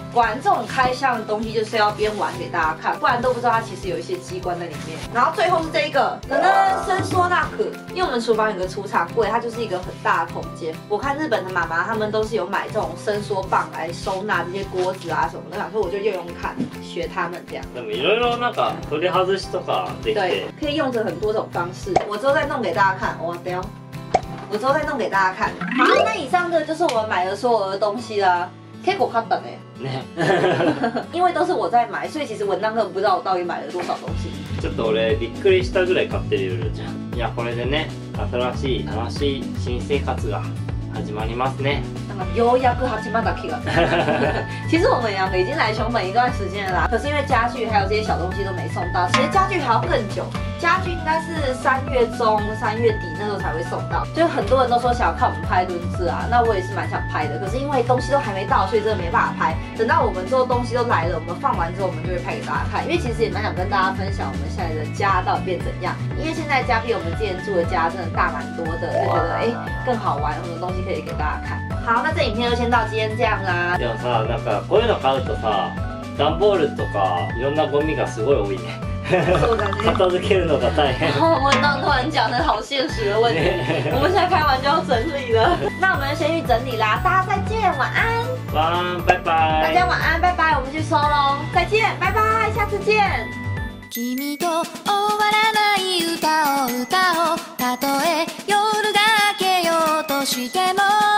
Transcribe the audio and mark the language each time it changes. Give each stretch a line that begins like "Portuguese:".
Chinese: 玩这种开箱的东西就是要边玩给大家看，不然都不知道它其实有一些机关在里面。然后最后是这一个，可能伸缩纳克，因为我们厨房有个储藏柜，它就是一个很大的空间。我看日本的妈妈他们都是有买这种伸缩棒来收纳这些锅子啊什么的，所以我就用用看，学他们这样。
Japanese: でもいろいろなんか取り外しとかできて。
Chinese: 对，可以用着很多种方式，我之后再弄给大家看。哇，对哦。我之后再弄给大家看。好，那以上的就是我们买的所有的东西啦。
Japanese: 結構簡単欸。
Chinese: 因为都是我在买，所以其实文章根本不知道我到底买了多少东西。
Japanese: ちょっと俺びっくりしたぐらい買ってるよるじゃん。いやこれでね、新しい新生活が始まりますね。ようやく始まった気がする。
Chinese: 其实我们两个已经来熊本一段时间了啦，可是因为家具还有这些小东西都没送到，其实家具还要更久。家具应该是3月中3月底那时候才会送到，就很多人都说想要看我们拍轮子啊，那我也是蛮想拍的，可是因为东西都还没到，所以真的没办法拍。等到我们之后东西都来了，我们放完之后，我们就会拍给大家看。因为其实也蛮想跟大家分享我们现在的家到底变怎样，因为现在家比我们之前住的家真的大蛮多的，就觉得更好玩，很多东西可以给大家看。好，那这影片就先到今天这样啦。
Japanese: でもさ、なんかこういうの買うとさ、段ボールとかいろんなゴミがすごい多いね。片付けるのが大変。
Chinese: 文章突然讲的好现实的问题，我们现在开完就要整理了。那我们先去整理啦，大家再见，晚安。晚安，拜拜。大家晚安，拜拜，我们去收咯，再见，拜拜，下次见。
Japanese: 君と終わらない歌を歌おう。たとえ夜が明けようとしても。